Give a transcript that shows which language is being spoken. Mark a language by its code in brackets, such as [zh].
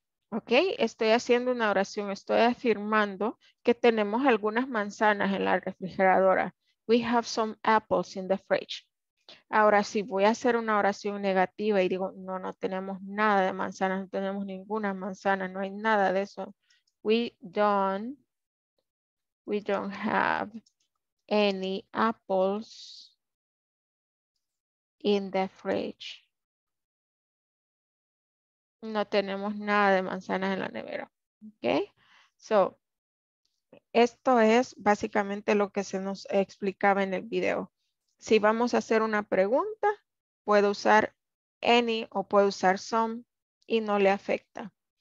[es] Ok, estoy haciendo una oración. Estoy afirmando que tenemos algunas manzanas en la refrigeradora. [en] We have some apples in the fridge. [es] Ahora, si voy a hacer una oración negativa y digo, no tenemos nada de manzanas, no tenemos ninguna manzana, no hay nada de eso. [en] We don't have any apples in the fridge. [es] No tenemos nada de manzanas en la nevera. Okay? So, esto es básicamente lo que se nos explicaba en el video. Si vamos a hacer una pregunta, puedo usar any o puedo usar some y no le afecta.